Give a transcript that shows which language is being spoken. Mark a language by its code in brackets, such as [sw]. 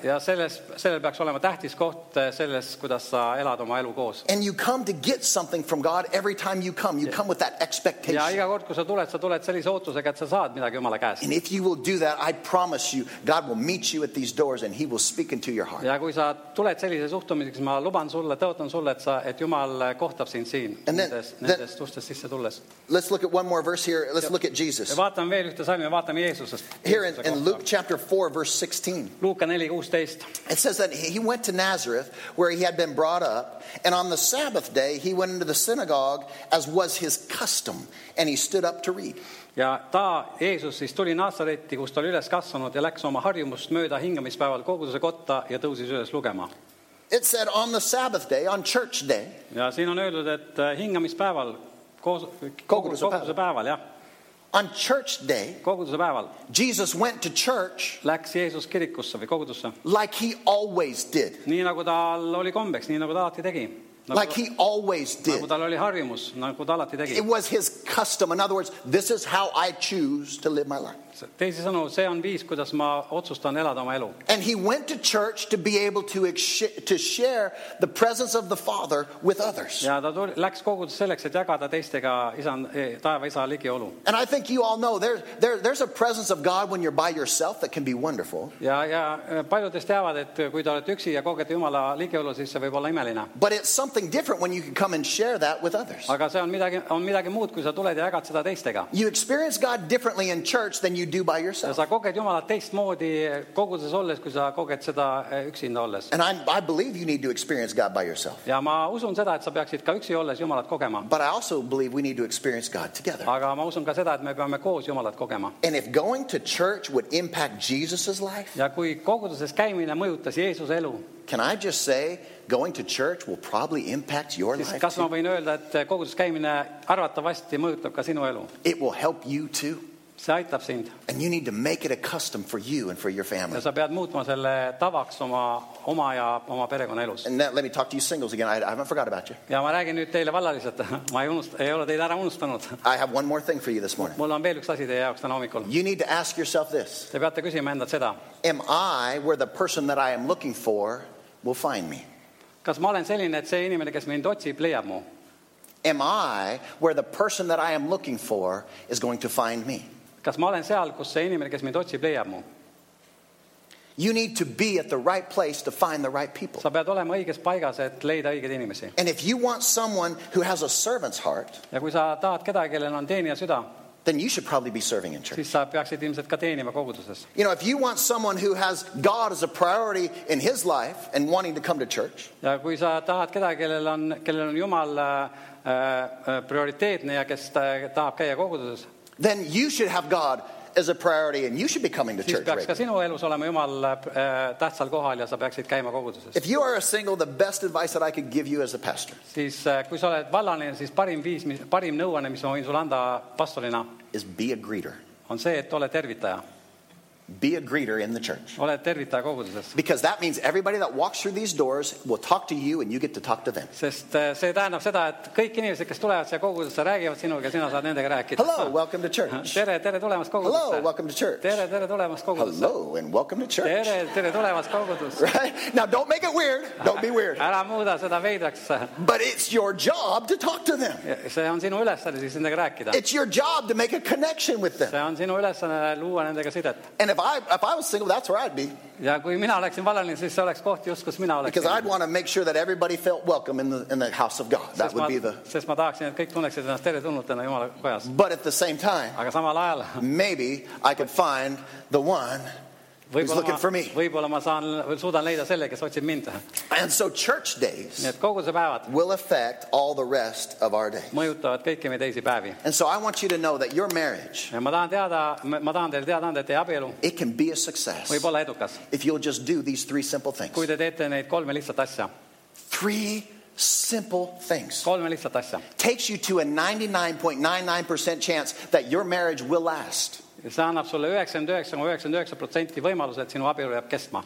[et] Ja sellel peaks olema tähtis koht selles, kuidas elad oma elu koos. [en] And you come to get something from God every time you come. You come with that expectation. [et] Ja iga kord, kui sa tuled sellise ootusega, et sa saad midagi Jumala käest. [en] And if you will do that, I promise you, God will meet you at these doors and he will speak into your heart. [et] Ja kui sa tuled sellise suhtumiseks, ma luban sulle, tõotan sulle, et Jumal kohtab sind siin, nendes ustes sisse tulles. [en] Let's look at one more verse here. Let's look at Jesus. [et] Vaatame veel ühte salmi, vaatame Jeesusest. [en] Here in Luke chapter 4, verse 16. [et] Luuka 4:16. [en] It says that he went to Nazareth, where he had been brought up, and on the Sabbath day he went into the synagogue as was his custom, and he stood up to read. [et] Ja ta Jeesus siis tuli Nazareti, kus ta oli üles kasvanud ja läks oma harjumust mööda hingamispäeval koguduse kotta ja tõusis üles lugema. [en] It said on the Sabbath day, on church day. [et] Ja siin on öeldud, et hingamispäeval koguduse päeval, ja. [en] On church day, [et] koguduse päeval, [en] Jesus went to church [et] läks Jeesus kirikusse või kogudusse, [en] like he always did. [et] Nii nagu ta oli kombeks, nii nagu ta alati tegi. [en] Like he always did. [et] Nagu ta oli harjumus, nagu ta alati tegi. [en] It was his custom. In other words, this is how I choose to live my life. [et] Teisi sõnu, see on viis, kuidas ma otsustan elada oma elu. [en] And he went to church to be able to share the presence of the Father with others. [et] Ja ta läks kogudus selleks, et jagada teistega taeva isa ligiolu. [en] And I think you all know, there's a presence of God when you're by yourself that can be wonderful. [et] Ja paljudest teavad, et kui ta oled üksi ja kogeda Jumala ligiolu, siis see võib olla imeline. [en] But it's something different when you can come and share that with others. [et] Aga see on midagi muud, kui sa tuled ja jagad seda teistega. [en] You experience God differently in church than you do by yourself. [et] Sa koged Jumala teistmoodi koguduses olles, kui sa koged seda üksinda olles. [en] And I believe you need to experience God by yourself. [et] Ja ma usun seda, et sa peaksid ka üksi olles Jumalat kogema. [en] But I also believe we need to experience God together. [et] Aga ma usun ka seda, et me peame koos Jumalat kogema. [en] And if going to church would impact Jesus's life? [et] Ja kui koguduses käimine mõjutas Jeesuse elu. [en] Can I just say going to church will probably impact your life? [et] Kas ma võin öelda, et koguduses käimine arvatavasti mõjutab ka sinu elu? [en] It will help you too. [et] See aitab sind. [en] And you need to make it a custom for you and for your family. [et] Ja sa pead muutma selle tavaks oma ja oma perekonna elus. [en] And now, let me talk to you singles again. I haven't forgot about you. [et] Ja ma räägin nüüd teile vallaliselt. Ma ei ole teid ära unustanud. [en] I have one more thing for you this morning. [et] Mul on veel üks asi teie jaoks täna hommikul. [en] You need to ask yourself this. [et] Te peate küsima endalt seda. [en] Am I where the person that I am looking for will find me? [et] Kas ma olen selline, et see inimene, kes mind otsib, leiab mu? [en] Am I where the person that I am looking for is going to find me? [et] Kas ma olen seal, kus see inimene, kes mind otsib, leiab mu? [en] You need to be at the right place to find the right people. [et] Sa pead olema õiges paigas, et leida õiged inimesi. [en] And if you want someone who has a servant's heart, [et] ja kui sa tahad kedagi, kellel on teenija süda, [en] then you should probably be serving in church. [et] Siis sa peaksid ilmselt ka teenima koguduses. [en] You know, if you want someone who has God as a priority in his life and wanting to come to church, [et] ja kui sa tahad kedagi, kellel on Jumal prioriteetne ja kes tahab käia koguduses, [en] then you should have God as a priority and you should be coming to church. [et] Peaks ka sinu elus olema Jumal tähtsal kohal ja sa peaksid käima koguduses. [en] If you are a single, the best advice that I could give you as a pastor. [et] Siis kui sa oled vallaline, siis parim nõuane, mis ma võin sul anda pastorina, [en] is be a greeter. [et] On see, et ole tervitaja. [en] Be a greeter in the church. [et] Ole tervitaja koguduses. [en] Because that means everybody that walks through these doors will talk to you and you get to talk to them. [et] Sest see tähendab seda, et kõik inimesed, kes tulevad siia kogudusse, räägivad sinuga, sina saad nendega rääkida. [en] Hello, welcome to church. [et] Tere, tere tulemast kogudusse. [en] Hello, welcome to church. [et] Tere, tere tulemast kogudusse. [en] Hello and welcome to church. [et] Tere, tere tulemast kogudusse. [en] Right? Now don't make it weird. Don't be weird. [et] Ära muuda seda veidraks. [en] But it's your job to talk to them. [et] See on sinu ülesanne siis nendega rääkida. [en] It's your job to make a connection with them. [et] See on sinu ülesanne luua nendega sidet. [en] And if I was single, that's where I'd be. [et] Ja kui mina oleksin valaline, siis oleks koht just, kus mina oleksin. [en] Because I'd want to make sure that everybody felt welcome in the house of God. That would be the... [et] Sest ma tahaksin, et kõik tunneksid ennast tere tunnutena Jumala kojas. [en] But at the same time, [et] aga samal ajal, [en] maybe I could find the one who's looking for me. [et] Võibolla ma saan, või suudan leida selle, kes otsib mind. [en] And so church days [et] kogusepäevad [en] will affect all the rest of our days. [et] Mõjutavad kõiki me teisi päevi. [en] And so I want you to know that your marriage, [et] ja ma tahan teile teada anda, et teie abielu, [en] it can be a success. [et] Võibolla edukas. [en] If you'll just do these three simple things. [et] Kui te teete neid kolme lihtsalt asja. [en] Three simple things. [et] Kolme lihtsalt asja. [en] Takes you to a 99.99% chance that your marriage will last. [et] See annab sulle 99.99% võimalus, et sinu abielu jääb kestma.